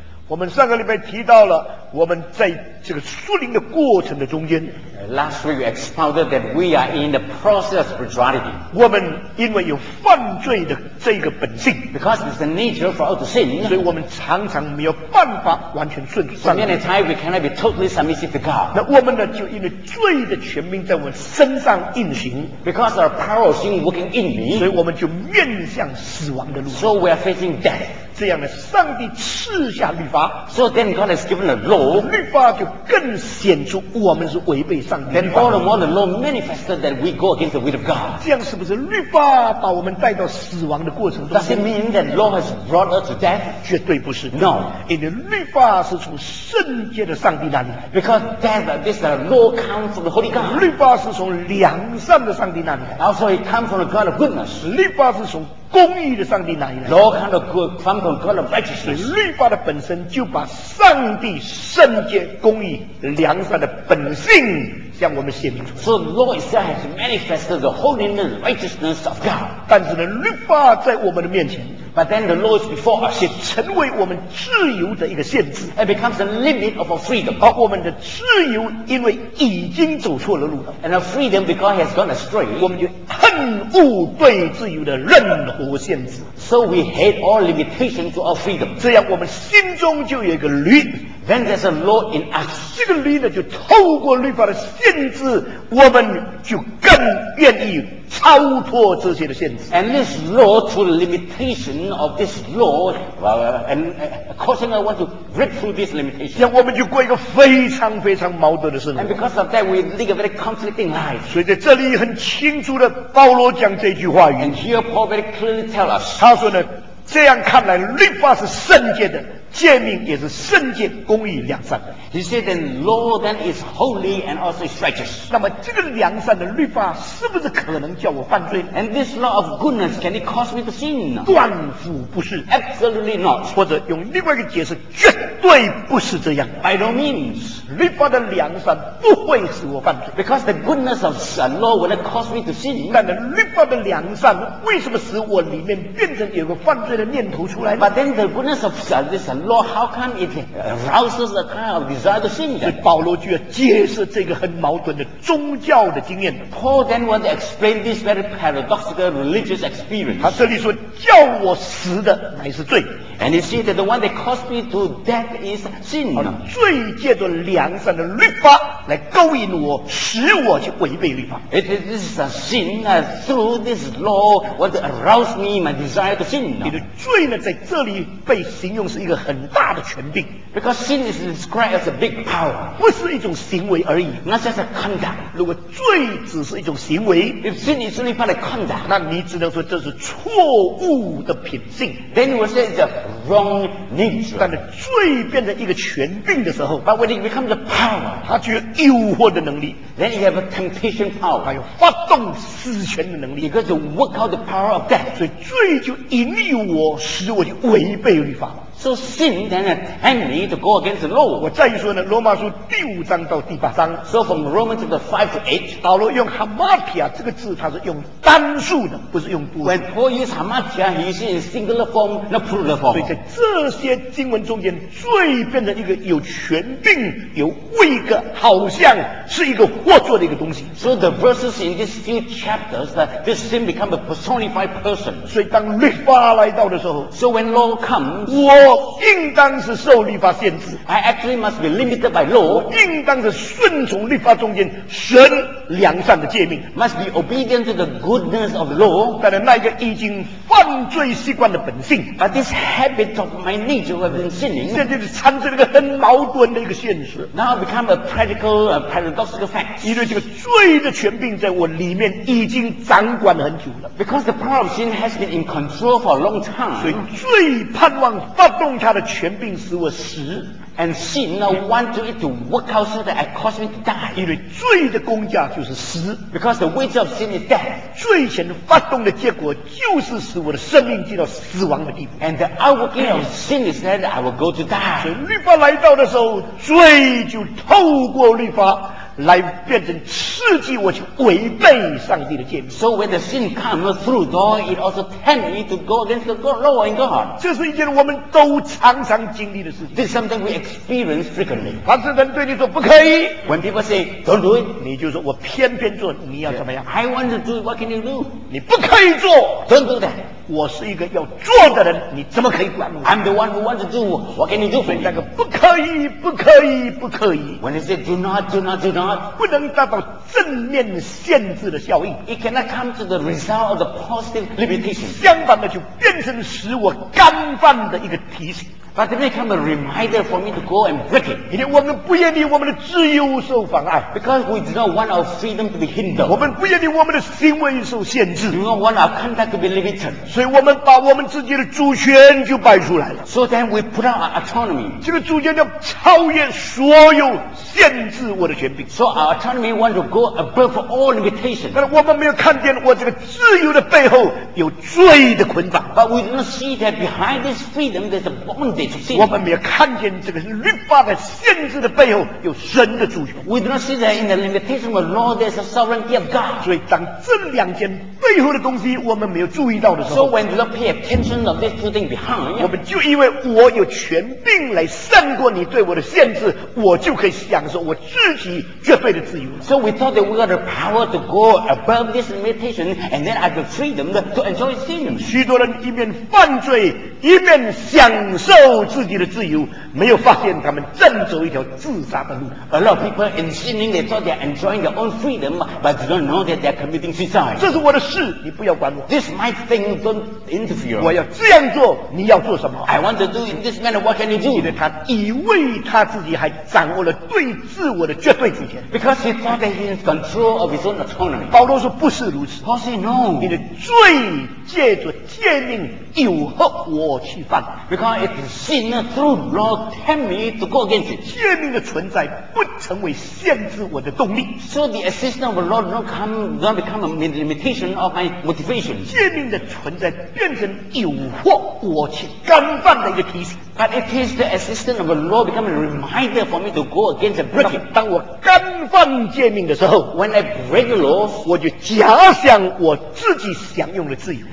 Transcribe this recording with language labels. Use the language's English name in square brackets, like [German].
[Chinese] 我们上个礼拜提到了我们在这个属灵的过程的中间。 [English] Last week we expounded that we are in the process of spirituality. [Chinese] 我们因为有犯罪的这个本性。 [English] Because it's the nature for us to sin. [Chinese] 所以我们常常没有办法完全顺服。 [English] So many times we cannot be totally submissive to God. [Chinese] 那我们呢就因为罪的权柄在我们身上运行。 [English] Because our power of sin working in me. [Chinese] 所以我们就面向死亡的路。 [English] So we are facing death. [Chinese] 这样的上帝赐下律法 [English] so then God has given the law [Chinese] 律法就更显出我们是违背上帝的 [English] then all and all the law manifested that we go against the will of God [Chinese] 这样是不是律法把我们带到死亡的过程中 [English] does it mean that law has brought us to death [Chinese] 绝对不是 [English] no [Chinese] 因为律法是从圣洁的上帝那里 [English] because death this law comes from the Holy God [Chinese] 律法是从良善的上帝那里 [English] also it comes from the God of goodness [Chinese] 律法是从公义的上帝哪里来 [English] Law kind of good, come from God of righteousness. [Chinese] 律法的本身就把上帝圣洁、公义、良善的本性向我们显明出来。 [English] So law itself has manifested the holiness, righteousness of God. [Chinese] 但是呢，律法在我们的面前。 [English] But then the law is before us. [Chinese] 且成为我们自由的一个限制。 [English] It becomes the limit of our freedom. [Chinese] 而我们的自由因为已经走错了路。 [English] And our freedom because it has gone astray. [Chinese] 我们就恨恶对自由的任何限制。 [English] So we hate all limitations to our freedom. [Chinese] 这样我们心中就有一个律。 [English] Then there's a law in us. [Chinese] 这个律呢，就透过律法的限制，我们就更愿意超脱这些的限制。 [English] And this law, through the limitation of this law, causing us want to break through this limitation. [Chinese] 这样我们就过一个非常非常矛盾的生活。 [English] And because of that, we live a very conflicting life. [Chinese] 所以在这里很清楚的，保罗讲这句话语。 [English] And here Paul very clearly tells us. [Chinese] 他说呢，这样看来，律法是圣洁的。诫命也是圣洁、公义、良善的。 [English] He said that law then is holy and also is righteous. [Chinese] 那么这个良善的律法是不是可能叫我犯罪 [English] ？And this law of goodness can it cause me to sin? [Chinese] 断乎不是 [English] ，absolutely not. [Chinese] 或者用另外一个解释，绝对不是这样。 [English] By no means, [Chinese] 律法的良善不会使我犯罪 [English] ，because the goodness of the law will not cause me to sin. [Chinese] 但是律法的良善为什么使我里面变成有个犯罪的念头出来 [English] ？But then the goodness of this law, how come it arouses a kind of desire to sin? [Chinese] 所以保罗就要解释这个很矛盾的宗教的经验。 [English] Paul then wants to explain this very paradoxical religious experience. [Chinese] 他这里说，叫我死的乃是罪。 [English] And he said that the one that caused me to death is sin. [Chinese] 罪借着良善的律法来勾引我，使我去违背律法。 [English] It is this a sin through this law want to arouse me my desire to sin. [Chinese] 你的罪呢，在这里被形容是一个很大的权柄。 [English] Because sin is described as a big power. [Chinese] 不是一种行为而已。 [English] Not just a conduct. [Chinese] 如果罪只是一种行为 [English] ，If sin is only part of conduct, [Chinese] 那你只能说这是错误的品性。 [English] Then he says that. Wrong nature. [Chinese] 但是罪变成一个权柄的时候 [English] ，But when it becomes a power, [Chinese] 它具有诱惑的能力 [English] ，Then you have a temptation power. [Chinese] 它有发动私权的能力 [English] ，Because you work out the power of death. [Chinese] 所以罪就引诱我，使我就违背律法。 [English] So sin then tempt me to go against the law. [Chinese] 我再说呢，罗马书第五章到第八章。 [English] So from Romans chapter 5 to 8, [Chinese] 保罗用 hamartia 这个字，它是用单数的，不是用多数。 [English] When Paul uses hamartia, he is in singular form, not plural form. [Chinese] 所以在这些经文中间，罪变成一个有权柄、有位格，好像是一个获作的一个东西。 [English] So the verses in these few chapters, this sin become a personified person. [Chinese] 所以当律法来到的时候 [English] ，So when law comes, [Chinese] 我应当是受律法限制 [English] I actually must be limited by law [Chinese] 我应当是顺从律法中间神良善的诫命 [English] Must be obedient to the goodness of law [Chinese] 但是那个已经犯罪习惯的本性 [English] But this habit of my nature have been sinning [Chinese] 现在就产生了一个很矛盾的一个现实 [English] Now I become a practical, a paradoxical fact [Chinese] 因为这个罪的权柄在我里面已经掌管了很久了 [English] Because the power of sin has been in control for a long time [Chinese] 所以最盼望发动他的权柄使我死 [English] and sin now want it to work out so that I cause me to die [Chinese] 因为罪的工价就是死 [English] because the wage of sin is death [Chinese] 罪前发动的结果就是使我的生命进到死亡的地步 [English] and the outworking of sin is that I will go to die [Chinese] 所以律法来到的时候罪就透过律法来变成刺激我去违背上帝的诫命。 [English] So when the sin comes through door, it also tempts me to go against the law and God. [Chinese] 这是一件我们都常常经历的事情。 [English] This is something we experience frequently. [Chinese] 凡是人对你说不可以 [English] ，When people say don't do it， [Chinese] 你就说我偏偏做，你要怎么样 [English] ？I want to do it. What can you do？ [Chinese] 你不可以做 [English] ，Don't do that。 [Chinese] 我是一个要做的人，你怎么可以管我 [English] ？I'm the one who wants to do. What can you do for me？ [Chinese] 那个不可以，不可以，不可以。 [English] When they say do not, do not, do not， [Chinese] 不能达到正面限制的效应。 [English] It cannot come to the result of the positive limitation。 [Chinese] 相反的，就变成使我干犯的一个提醒。 [English] But it may come a reminder for me to go and break it. [Chinese] 因为我们不愿意我们的自由受妨碍。 [English] Because we do not want our freedom to be hindered. [Chinese] 我们不愿意我们的行为受限制。 [English] We do not want our conduct to be limited. [Chinese] 所以我们把我们自己的主权就摆出来了。 [English] So then we put out our autonomy. [Chinese] 这个主权要超越所有限制我的权柄。 [English] So our autonomy wants to go above all limitations. [Chinese] 但是我们没有看见我这个自由的背后有罪的捆绑。 [English] But we do not see that behind this freedom there's a bond. [Chinese] 我们没有看见这个律法的限制的背后有神的主权。 [English] We do not see that in the limitation of law there's a sovereignty of God. [Chinese] 所以当这两件背后的东西我们没有注意到的时候 [English] ，So when we don't pay attention of these two things behind, [Chinese] 我们就以为我有权柄来胜过你对我的限制，我就可以享受我自己绝对的自由。 [English] So we thought that we got the power to go above this limitation and then have the freedom to enjoy sin. [Chinese] 许多人一面犯罪一面享受。受自己的自由，没有发现他们正走一条自杀的路。 [English] A lot of people in sinning, they thought they're enjoying their own freedom, but do not know that they're committing suicide. [Chinese] 这是我的事，你不要管我。 [English] This my thing, don't interfere. [Chinese] 我要这样做，你要做什么 [English] ？I want to do in this manner. What can you do? [Chinese] 因为他以为他自己还掌握了对自我的绝对主权。 [English] Because he thought that he has control of his own autonomy. [Chinese] 保罗说不是如此。 [English] Paul said no. [Chinese] 你的罪借着诫命诱惑我去犯。 [English] Because it's sin through law tempt me to go against it. [Chinese] 诫命的存在不成为限制我的动力。 [English] So the assistance of the law don't become a limitation of my motivation. [Chinese] 诫命的存在变成诱惑我去干犯的一个提醒。 [English] But it is the assistance of the law become a reminder for me to go against and break it. [Chinese] 当我干犯诫命的时候 [English] ，When I break the law， [Chinese] 我就假想我自己享用了自由。